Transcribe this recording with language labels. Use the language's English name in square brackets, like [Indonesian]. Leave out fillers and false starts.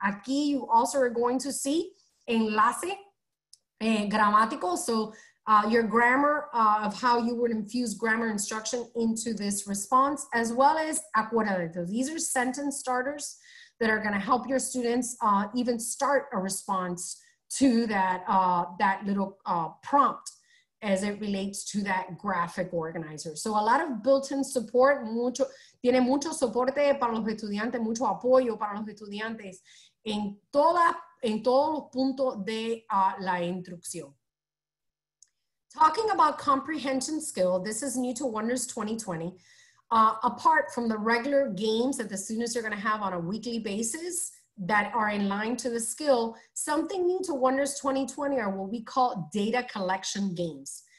[English] Aquí you also are going to see enlace and grammatical, so your grammar of how you would infuse grammar instruction into this response, as well as acuérdate. These are sentence starters that are gonna help your students even start a response to that that little prompt as it relates to that graphic organizer. So a lot of built-in support, [Spanish] mucho, tiene mucho soporte para los estudiantes, mucho apoyo para los estudiantes en toda, en todos los puntos de la instrucción. [English] Talking about comprehension skill, this is new to Wonders 2020. Apart from the regular games that the students are gonna have on a weekly basis, that are in line to the skill, something new to Wonders 2020 are what we call data collection games.